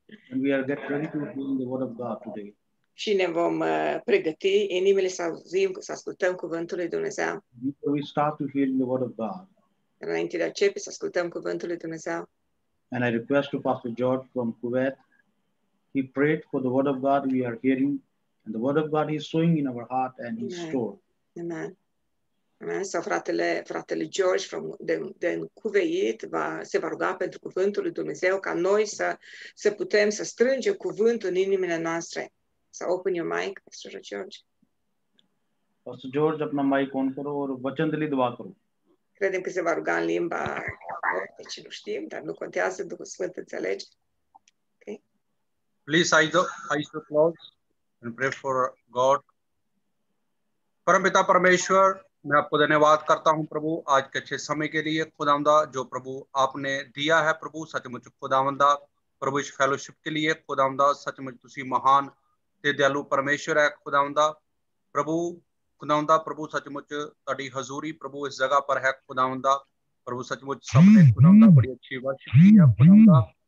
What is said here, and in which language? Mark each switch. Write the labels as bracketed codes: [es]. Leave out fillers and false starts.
[en] And we are getting ready to hear the word of God today. [ro] Și ne vom pregăti inimile să auzim, să ascultăm cuvântul lui Dumnezeu. [en] Before we start to hear the word of God. [ro] Înainte de a începe să ascultăm cuvântul lui Dumnezeu. [en] And I request to Pastor George from Kuwait. He prayed for the word of God we are hearing And the word of God is sowing in our heart and is stored. Amen. Amen. [ro] Sau fratele George from de încuveit se va ruga pentru cuvântul lui Dumnezeu ca noi să putem să strângem cuvântul în inimile noastre. [en] So open your mic, Pastor George. [hi] Pastor George, apna mic on karo aur vachan dili dua karo. [ro] Credem că se va ruga în limba, deci nu știm, dar nu contează, Duhul Sfânt înțelege. [en] Okay. Please, eyes to close and pray for God. [hi] Parampita Parameshwar, मैं आपको धन्यवाद करता हूं प्रभु आज के अच्छे समय के लिए खुदावंदा जो प्रभु आपने दिया है प्रभु सचमुच खुदावंदा प्रभु इस फेलोशिप के लिए खुदावंदा सचमुच तुसी महान ते दयालु परमेश्वर है खुदावंदा प्रभु सचमुच तड़ी हजूरी प्रभु इस जगह पर है खुदावंदा प्रभु सचमुच सबने खुदावंदा बड़ी अच्छी वर्षिप की है खुदावंदा